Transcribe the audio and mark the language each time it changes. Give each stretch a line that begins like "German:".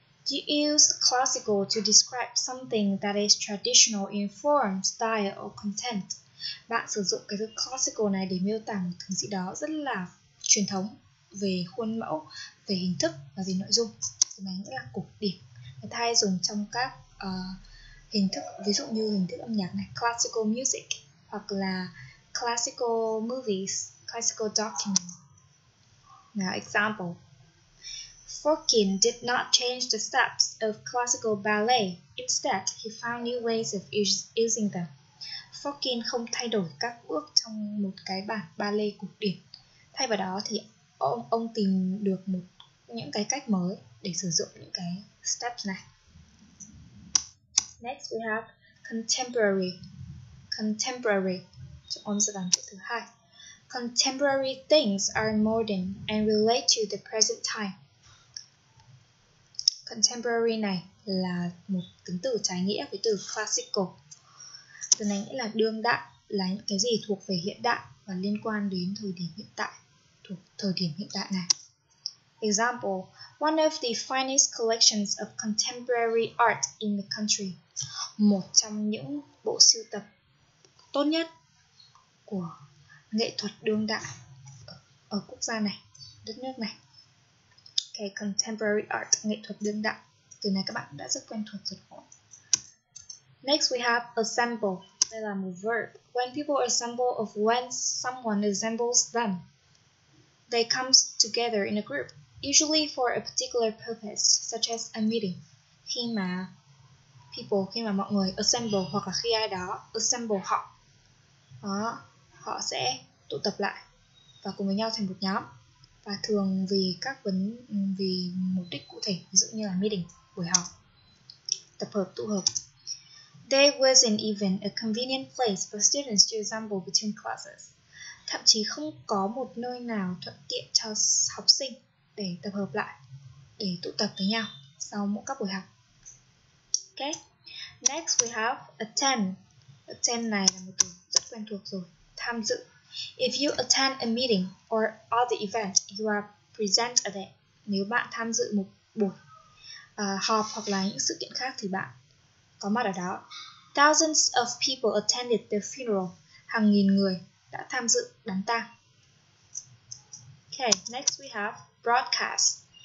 English: You use classical to describe something that is traditional in form, style or content.
Vietnamese: Bạn sử dụng cái từ classical này để miêu tả một thứ gì đó rất là truyền thống về khuôn mẫu, về hình thức và về nội dung. Cái này nghĩa là cổ điển. Người ta hay dùng trong các hình thức, ví dụ như hình thức âm nhạc này, classical music, hoặc là classical movies, classical documents.
English: Now, example. Forkin did not change the steps of classical ballet. Instead, he found new ways of using them.
Vietnamese: Fokin không thay đổi các bước trong một cái bản ballet cổ điển. Thay vào đó thì ông tìm được một những cái cách mới để sử dụng những cái steps này.
English: Next we have contemporary. Contemporary. So on to the
Vietnamese: chữ thứ hai.
English: Contemporary things are modern and relate to the present time.
Vietnamese: Contemporary này là một tính từ trái nghĩa với từ classical. Từ này nghĩa là đương đại, là những cái gì thuộc về hiện đại và liên quan đến thời điểm hiện tại, thuộc thời điểm hiện tại này.
English: Example, one of the finest collections of contemporary art in the country.
Vietnamese: Một trong những bộ sưu tập tốt nhất của nghệ thuật đương đại ở quốc gia này, đất nước này. Okay, contemporary art, nghệ thuật đương đại. Từ này các bạn đã rất quen thuộc rồi.
English: Next we have assemble.
Vietnamese: Đây là một verb.
English: When people assemble of when someone assembles them, they come together in a group, usually for a particular purpose, such as a meeting.
Vietnamese: Khi mà people, khi mà mọi người assemble hoặc là khi ai đó assemble họ, đó, họ sẽ tụ tập lại và cùng với nhau thành một nhóm. Và thường vì các vấn, vì mục đích cụ thể, ví dụ như là meeting, buổi họp, tập hợp, tụ hợp.
English: There wasn't even a convenient place for students to assemble between classes.
Vietnamese: Thậm chí không có một nơi nào thuận tiện cho học sinh để tập hợp lại, để tụ tập với nhau sau mỗi các buổi học.
English: Okay, next we have attend.
Vietnamese: Attend này là một từ rất quen thuộc rồi, tham dự.
English: If you attend a meeting or other event, you are present at it.
Vietnamese: Nếu bạn tham dự một buổi họp hoặc là những sự kiện khác thì bạn có mặt ở đó.
English: Thousands of people attended the funeral.
Vietnamese: Hàng nghìn người đã tham dự đám tang.
English: Okay, next we have broadcast.